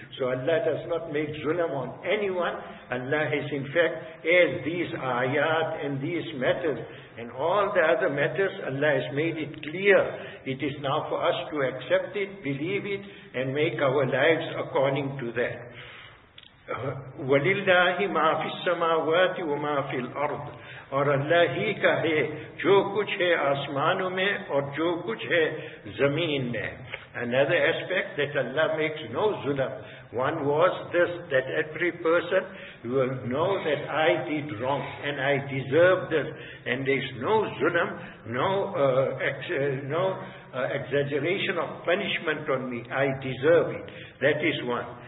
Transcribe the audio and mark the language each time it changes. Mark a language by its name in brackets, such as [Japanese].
[English] So Allah does not make zulm on anyone. Allah is in fact, as these ayat and these matters and all the other matters, Allah has made it clear. It is now for us to accept it, believe it, and make our lives according to that. [Arabic] وَلِلَّهِ مَا فِي السَّمَاوَاتِ وَمَا فِي الْأَرْضِ. [Urdu] اور اللہ ہی کا ہے جو کچھ ہے آسمانوں میں اور جو کچھ ہے زمین میں. [English] Another aspect that Allah makes no zulm. One was this, that every person will know that I did wrong and I deserve this. And there is no zulm, no exaggeration of punishment on me. I deserve it. That is one.